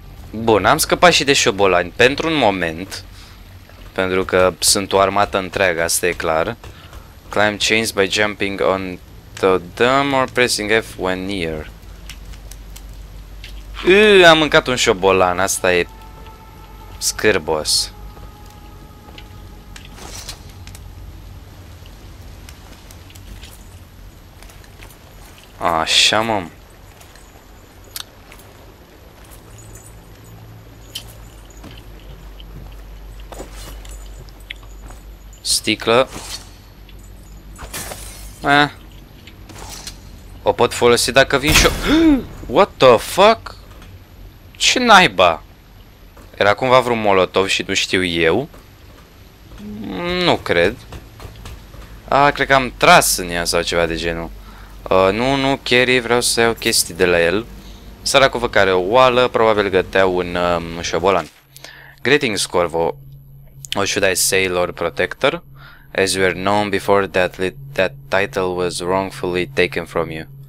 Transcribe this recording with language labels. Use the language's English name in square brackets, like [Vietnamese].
[Romanian] Bun, am scăpat și de șobolani pentru un moment, pentru că sunt o armată întreagă, asta e clar. [English] Climb chains by jumping on the dam or pressing F when near. [Romanian] Am mâncat un șobolan, asta e scârbos. Așa, mă. Sticlă. O pot folosi dacă vin și-o... [English] What the fuck? [Romanian] Ce naiba? Era cumva vreun molotov și nu știu eu? Nu cred. Ah, cred că am tras în ea sau ceva de genul. Nu, Kerry, vreau să iau chestii de la el. Săracul vă care o oală, probabil gătea un șobolan. [English] Greetings, Corvo. What should I say, Lord Protector? As you are known before, that title was wrongfully taken from you.